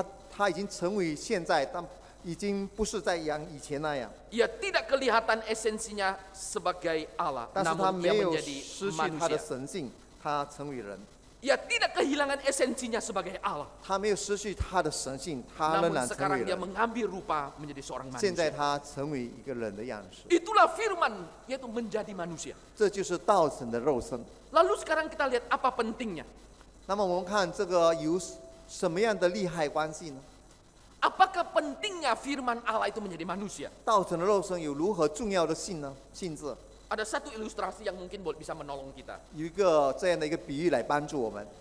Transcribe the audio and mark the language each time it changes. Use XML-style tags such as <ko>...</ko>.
<zh>他已经成为现在, 已经不是在以前那样。</zh> <id>Ia tidak kelihatan esensinya sebagai Allah, namun ia menjadi manusia.</id> <zh>他的神性, 他成为人。</zh> <id>Ia tidak kehilangan esensinya sebagai Allah.</id> <zh>他没有失去他的神性, 他仍然成为人。</zh> <id>Namun sekarang dia mengambil rupa menjadi seorang manusia.</id> <zh>现在他成为一个人的样式。</zh> <id>Itulah firman, yaitu menjadi manusia.</id> <zh>这就是道成的肉身。</zh> <id>Lalu sekarang kita lihat apa pentingnya.</id> <zh>那么我们看这个有什么样的利害关系呢?</zh> <id>Apakah pentingnya firman Allah itu menjadi manusia?</id> <zh>道成的肉身有如何重要的性呢?性质?</zh> <id>Ada satu ilustrasi yang mungkin bisa menolong kita.</id> <zh>有一个这样的一个比喻来帮助我们.</zh>